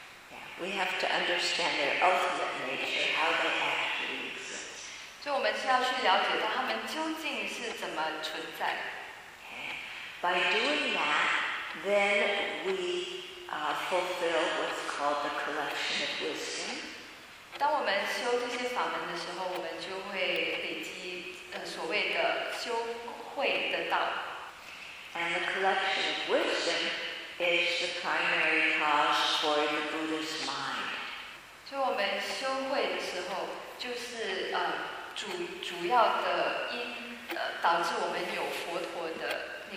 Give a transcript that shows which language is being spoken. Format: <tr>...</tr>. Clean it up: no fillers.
<en>Yeah, we have to understand their ultimate nature, how they actually exist.</en> <zh>所以我们是要去了解到他们究竟是怎么存在。</zh> <en>By doing that, then we fulfill what's called the collection of wisdom.</en> <zh>当我们修这些法门的时候，我们就会累积所谓的修慧的道。</zh> <en>And the collection of wisdom is the primary cause for the Buddha's mind.</en> <zh>所以我们修慧的时候，就是主要的因导致我们有佛陀的。</zh>